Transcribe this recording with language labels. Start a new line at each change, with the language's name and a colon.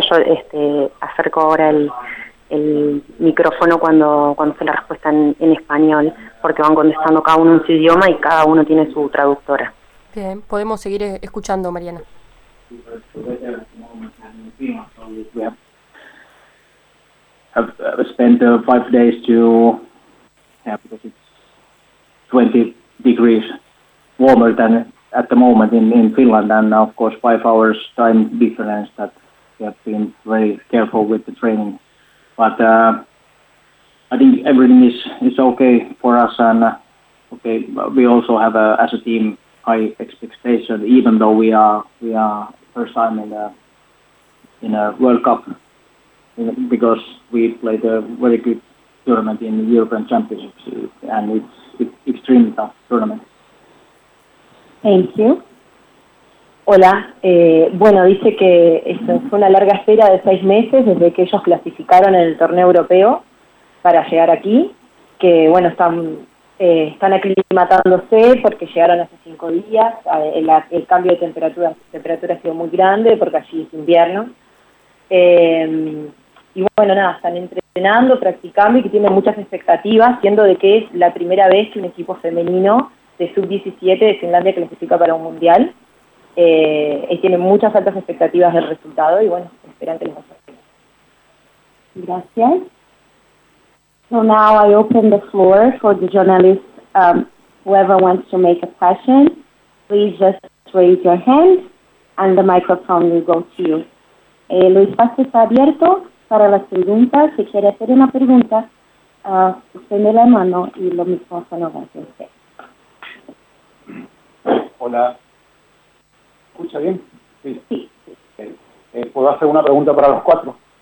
Spanish: Yo acerco ahora el micrófono cuando sea la respuesta en español, porque van contestando cada uno en su idioma y cada uno tiene su traductora. Bien, podemos seguir escuchando, Mariana.
English: I've spent 5 days to because it's 20 degrees warmer than at the moment in Finland, and of course 5 hours time difference, that we have been very careful with the training. But I think everything is okay for us, and okay, we also have as a team high expectations, even though we are first time in a World Cup, because we played a very good tournament in the European Championships, and it's extremely tough tournament. Thank you.
Spanish: Hola. Bueno, dice que esto fue una larga espera de 6 meses desde que ellos clasificaron en el torneo europeo para llegar aquí, que bueno, están aclimatándose porque llegaron hace 5 días, el cambio de temperatura ha sido muy grande porque allí es invierno, y bueno, nada, están entrenando, practicando y que tienen muchas expectativas, siendo de que es la primera vez que un equipo femenino de sub-17 de Finlandia clasifica para un mundial, y tienen muchas altas expectativas del resultado y bueno, esperan que les vaya bien. Gracias.
English: So now I open the floor for the journalists. Whoever wants to make a question, please just raise your hand and the microphone will go to you.
Spanish: El espacio está abierto para las preguntas. Si quiere hacer una pregunta, extiende la mano y lo mismo se lo va a hacer usted. Hola. ¿Escucha bien? Sí. ¿Puedo hacer una pregunta para los cuatro?